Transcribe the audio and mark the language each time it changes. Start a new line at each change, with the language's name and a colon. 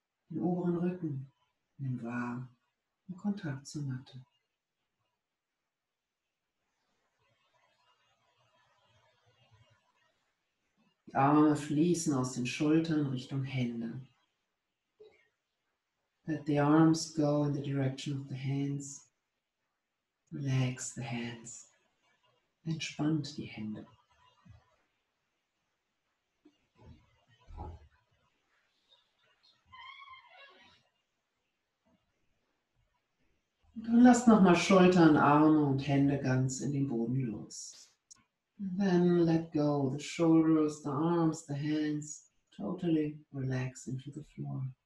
German: Den oberen Rücken, nimm wahr den Kontakt zur Matte. Die Arme fließen aus den Schultern Richtung Hände.
English: Let the arms go in the direction of the hands. Relax the hands.
German: Entspannt die Hände. Dann lasst nochmal Schultern, Arme und Hände ganz in den Boden los.
English: And then let go the shoulders, the arms, the hands. Totally relax into the floor.